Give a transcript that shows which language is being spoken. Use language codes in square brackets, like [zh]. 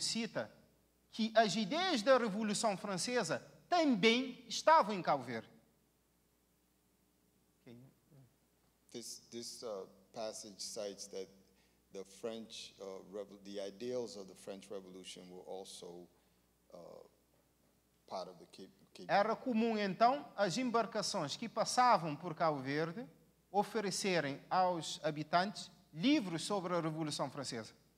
[pt] cita, que as ideias da Revolução Francesa também estavam em Cabo Verde. [en] This passage cites that the French the ideals of the French Revolution were also part of the Cape. [pt] Era comum então as embarcações que passavam por Cabo Verde oferecerem aos habitantes livros sobre a Revolução Francesa.